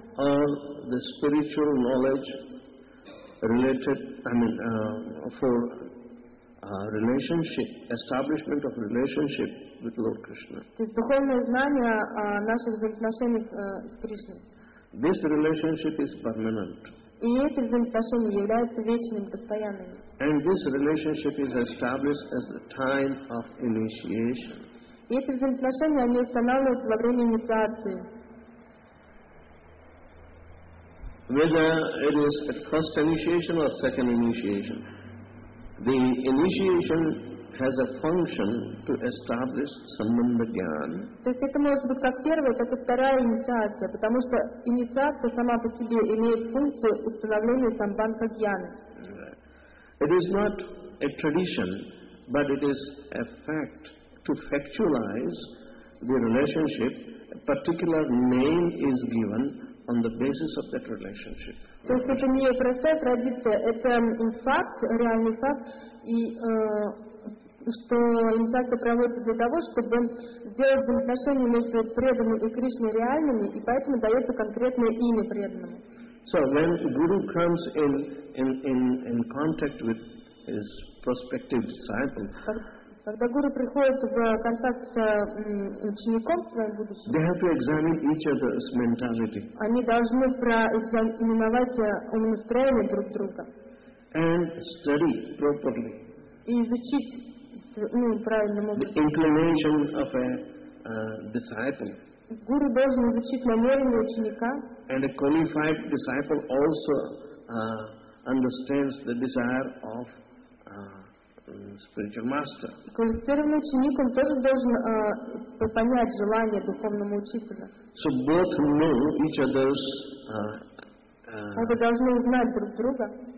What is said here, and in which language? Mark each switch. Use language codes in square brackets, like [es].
[en] Or the spiritual knowledge related, relationship, establishment of relationship with Lord Krishna. [ru] То есть духовное знание о наших взаимоотношениях с Кришной. [en] This relationship is permanent. [ru] И эти взаимоотношения являются вечными, постоянными. [en] And this relationship is established as the time of initiation. [ru] И эти взаимоотношения, они устанавливаются во время инициации. [en] Whether it is at first initiation or second initiation, the initiation has a function to establish sambandha jnana. [ru] То есть это может быть как первая, так и вторая инициация, потому что инициация сама по себе имеет функцию установления сампанха джьяны. [en] It is not a tradition, but it is a fact to factualize the relationship. A particular name is given on the basis of that relationship. [ru] То есть это не простая традиция, это факт, реальный факт, и что инициация проводится для того, чтобы сделать взаимоотношения между преданным и Кришной реальными, и поэтому дается конкретное имя преданному. [en] So when Guru comes in contact with his prospective disciple, [ru] когда Гуру приходит в контакт с учеником своим будущим, [en] they have to examine each other's mentality. [ru] Они должны проэкзаменовать ум и настроение друг друга. [en] And study properly. [ru] И изучить, ну, правильным образом. [en] The inclination of a disciple. [ru] Гуру должен изучить намерение ученика. [en] And a qualified disciple also understands the desire of spiritual master. [ru] Квалифицированный ученик, он тоже должен понять желание духовного учителя. [en] So both know each other's [ru] Они должны узнать друг друга.